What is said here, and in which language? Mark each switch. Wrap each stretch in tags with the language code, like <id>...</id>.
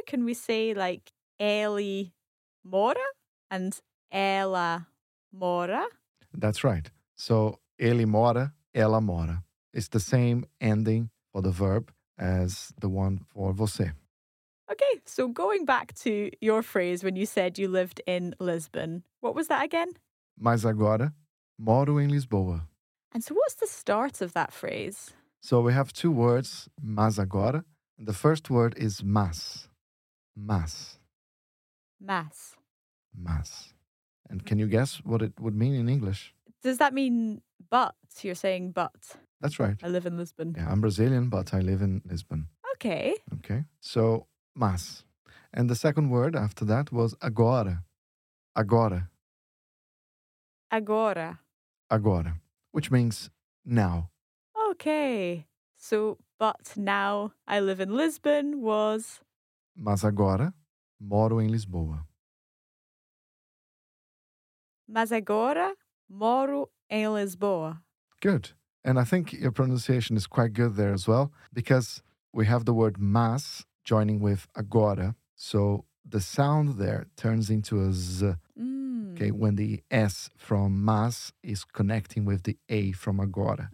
<en>Can we say like</en> <pt>ele mora</pt> <en>and</en> <pt>ela mora?</pt> <en>That's right. So</en> <pt>ele mora, ela mora.</pt> <en>It's the same ending for the verb as the one for você. Okay, so going back to your phrase when you said you lived in Lisbon, what was that again?</en> <pt>Mas agora, moro em Lisboa.</pt> <en>And so what's the start of that phrase? So we have two words,</en> <pt>mas agora.</pt> <en>The first word is mas. Mas.</en> <pt>Mas. Mas.</pt> <en>And can you guess what it would mean in English? Does that mean but? You're saying but. That's right. I live in Lisbon. Yeah, I'm Brazilian, but I live in Lisbon. Okay. Okay. So, mas. And the second word after that was agora.</en> <pt>Agora. Agora.</pt> <en>Agora. Which means now. Okay. So, but now I live in Lisbon was...</en> <pt>Mas agora moro em Lisboa. Mas agora moro em Lisboa.</pt> <en>Good. And I think your pronunciation is quite good there as well, because we have the word mas joining with agora. So the sound there turns into a z. Mm. Okay, when the S from mas is connecting with the A from agora.</en>